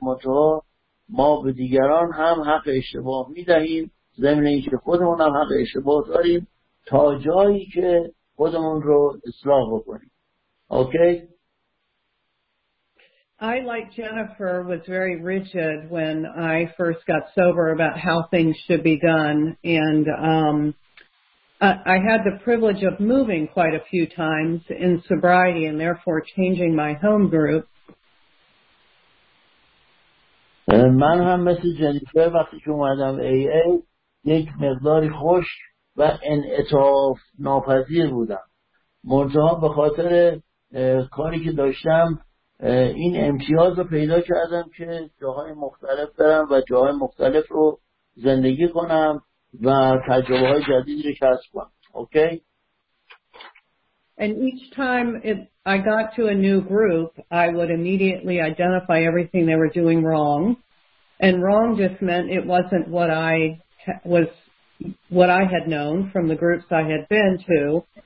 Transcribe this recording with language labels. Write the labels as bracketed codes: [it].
[fa] متوجه ما به دیگران هم حق اشتباه میدهیم، ضمن اینکه خودمون هم حق اشتباه داریم تا جایی که خودمون رو اصلاح بکنیم. [en] Okay. I like Jennifer was very rigid when I first got sober about how things should be done, and I had the privilege of moving quite a few times in sobriety and therefore changing my home group. [fa] من هم مثل جنیفر وقتی که اومدم AA یک مقداری خوش و انعطاف ناپذیر بودم. منتها به خاطر کاری که داشتم این امتیاز رو پیدا کردم که جاهای مختلف برم و جاهای مختلف رو زندگی کنم و تجربه های جدید رو کسب کنم. [en] Okay? And each time I got to a new group, I would immediately identify everything they were doing wrong. And wrong just meant it wasn't what I had known from the groups I had been to.